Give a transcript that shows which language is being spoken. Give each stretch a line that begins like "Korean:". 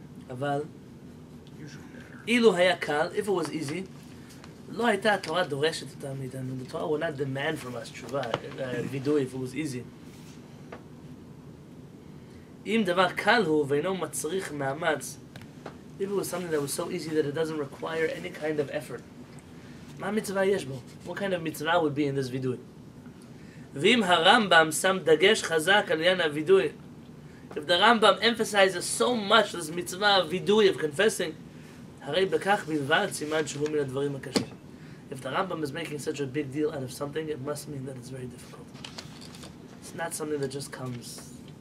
Hebrew: Aval, ilu haya kal,
English: if it was easy,
Hebrew: lo hayta Torah doreshet otam meitanu,
English: the Torah would not demand from us Teshuvah, vidui, if it was easy.
Hebrew: אם דבר קל הוא ואינו מצריך מאמץ,
English: if it was something that was so easy that it doesn't require any kind of effort,
Hebrew: מה מצווה יש בו?
English: What kind of מצווה would be in this vidui?
Hebrew: ואם הרמב״ם שם דגש חזק על עניין הוידוי,
English: if the Rambam emphasizes so much this mitzvah of vidui, of confessing,
Hebrew: הרי בכך בלבד סימן שהוא מן הדברים הקשים.
English: If the Rambam is making such a big deal out of something, it must mean that it's very difficult. It's not something that just comes...